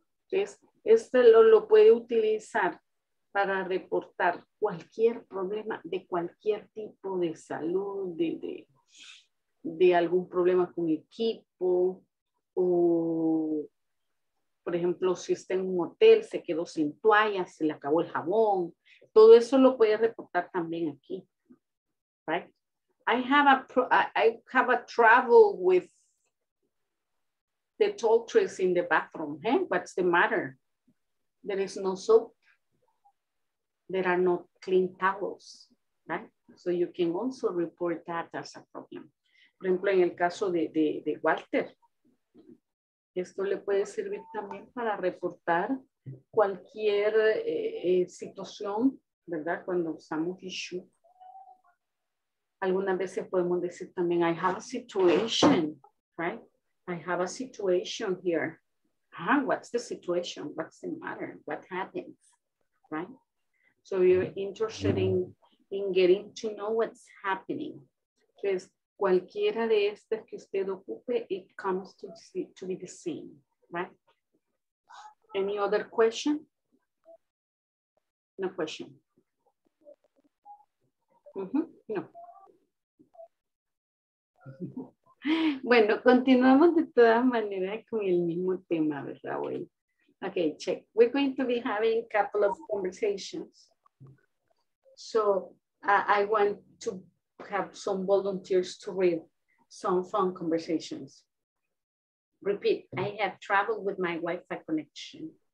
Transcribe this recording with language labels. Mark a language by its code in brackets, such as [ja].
[es] Entonces, este lo puede utilizar para reportar cualquier problema de cualquier tipo de salud, de algún problema con equipo o, por ejemplo, si está en un hotel, se quedó sin toallas, se le acabó el jabón. Todo eso lo puede reportar también aquí, right? [en] I have a trouble with the toiletries in the bathroom. Hey, what's the matter? There is no soap. There are no clean towels, right? So you can also report that as a problem. [es] Por ejemplo, en el caso de Walter, esto le puede servir también para reportar cualquier situación, ¿verdad? Cuando usamos issue. Algunas veces podemos decir también, [en] I have a situation, right? I have a situation here. Ah, what's the situation? What's the matter? What happened, right? So you're interested in getting to know what's happening. [es] Entonces, cualquiera de estas que usted ocupe, [en] it comes to be the same, right? Any other question? No question. Mm-hmm. No. [es] Bueno, continuamos de todas maneras con el mismo tema, ¿verdad, güey? [en] Okay, check. We're going to be having a couple of conversations. So, I want to have some volunteers to read some fun conversations. Repeat, I have trouble with my Wi-Fi connection.